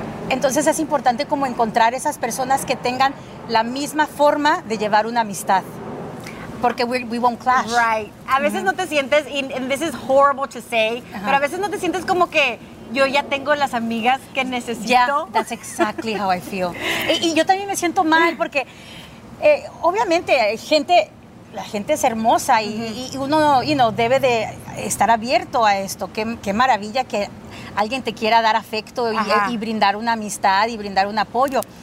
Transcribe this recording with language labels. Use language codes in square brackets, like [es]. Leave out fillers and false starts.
[es] Entonces es importante como encontrar esas personas que tengan la misma forma de llevar una amistad. Porque [en] we won't clash. Right. [es] A veces mm-hmm. no te sientes, [en] and this is horrible to say, uh-huh. [es] pero a veces no te sientes como que yo ya tengo las amigas que necesito. [en] Yeah, that's exactly how I feel. [es] Y yo también me siento mal porque obviamente la gente es hermosa y, mm-hmm. y uno, [en] you know, [es] debe de estar abierto a esto. Qué maravilla que alguien te quiera dar afecto y brindar una amistad y brindar un apoyo.